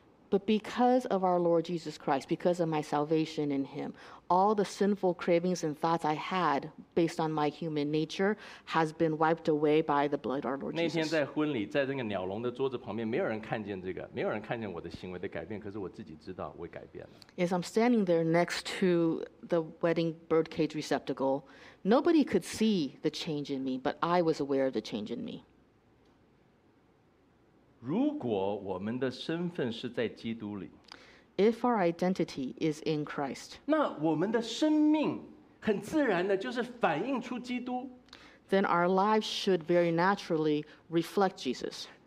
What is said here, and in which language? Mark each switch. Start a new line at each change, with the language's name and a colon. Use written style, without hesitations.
English: But because of our Lord Jesus Christ, because of my salvation in him, all the sinful cravings and thoughts I had based on my human nature has been wiped away by the blood of our Lord Jesus.
Chinese: 那天在婚礼，在那个鸟笼的桌子旁边，没有人看见这个，没有人看见我的行为的改变，可是我自己知道我改变了。
English: As I'm standing there next to the wedding birdcage receptacle, nobody could see the change in me, but I was aware of the change in me.
Chinese: 如果我们的身份是在基督里，
English: If our identity is in Christ,
Chinese: 那我们的生命很自然的就是反映出基督，
English: then our lives should very naturally reflect Jesus.